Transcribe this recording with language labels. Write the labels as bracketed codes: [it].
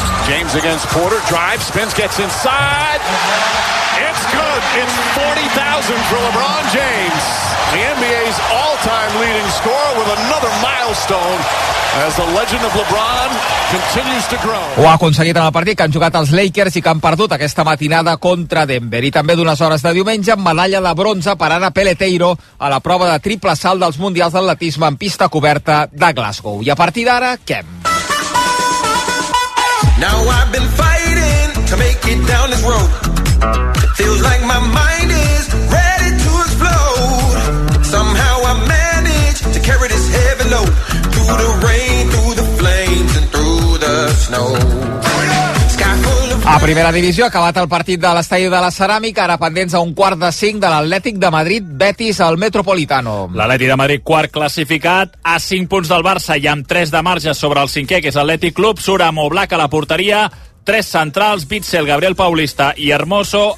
[en] James against Porter, drive, spins, gets inside. It's good. It's 40,000 for LeBron James. The NBA's all-time leading scorer with another milestone as the legend of LeBron continues to grow. [ca] Ho ha aconseguit en el partit que han jugat els Lakers i que han perdut aquesta matinada contra Denver. I també d'unes hores de diumenge, medalla de bronze per Ana Peleteiro a la prova de triple salt dels Mundials d'Atletisme en pista coberta de Glasgow. I a partir d'ara, què? [en] Now I've been fighting to make it down this road. It feels like my mind is ready to explode. Somehow I manage to carry this heavy load through the rain, through the flames and through the snow. [ca] A primera divisió, ha acabat el partit de l'estadi de la Ceràmica, ara pendents a un quart de cinc de l'Atlètic de Madrid, Betis al Metropolitano. L'Atlètic de Madrid, quart classificat, a 5 punts del Barça i amb 3 de marge sobre el cinquè, que és l'Atlètic Club. Surt amb Oblak a la porteria, 3 centrals, Witsel, Gabriel Paulista i Hermoso.